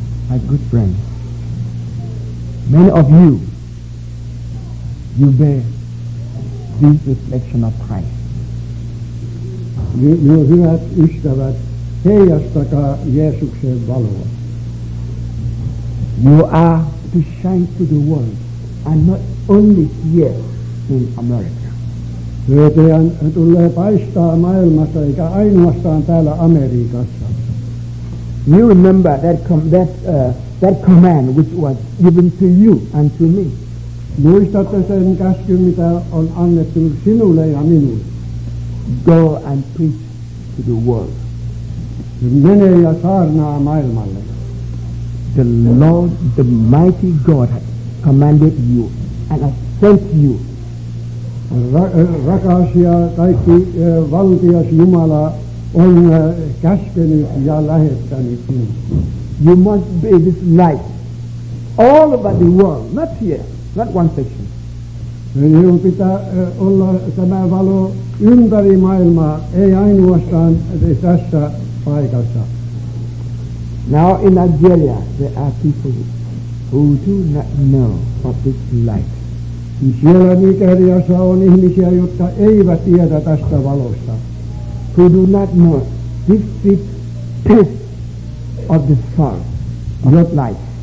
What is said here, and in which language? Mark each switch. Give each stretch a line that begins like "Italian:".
English: My good friend, many of you, you bear this reflection of Christ.
Finnish: Minun hyvät ystävät, heijastakaa Jeesuksen valoa.
English: You are to shine to the world, and not only here in America.
Finnish: Teidän tulee paistaa maailmassa, eikä ainoastaan täällä Amerikassa.
English: You remember that command which was given to you and to me.
Finnish: Muistatte sen käskyn, mitä on annettu sinulle ja minulle.
English: Go and preach to the world.
Finnish: Mene ja saarnaa maailmalle.
English: The Lord, the mighty God, has commanded you and has sent you.
Finnish: Rakas ja kaikki valtias Jumala on käskenyt ja lähettänyt sinut.
English: You must be this light all over the world, not here. Not one section.
Finnish: Sinun pitää olla tämä valo ympäri maailmaa, ei ainoastaan tässä paikassa.
English: Now in Algeria, there are people who do not know what this light.
Finnish: Siellä Nigeriassa on ihmisiä, jotka eivät tiedä tästä valosta.
English: Who do not know this deep test of the sun, your light.